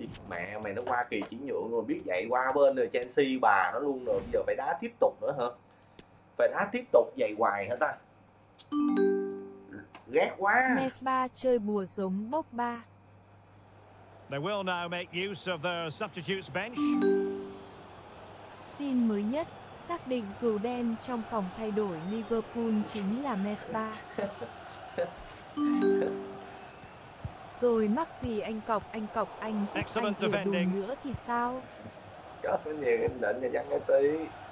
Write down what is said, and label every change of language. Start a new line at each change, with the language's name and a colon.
Vietnamese: Mẹ mày nó qua kỳ chuyển nhượng rồi biết vậy qua bên rồi Chelsea bà nó luôn rồi bây giờ phải đá tiếp tục nữa hả? Phải đá tiếp tục vậy hoài hả ta? Ghét quá. Messba chơi bùa giống bốc ba.
English: They will now make use of the substitutes bench.
Vietnamese: Tin mới nhất, xác định cừu đen trong phòng thay đổi Liverpool chính là Messba. Rồi mắc gì anh cọc anh thích anh kia đùm nữa thì sao? Có phải nhiều anh định và dắt cái tí.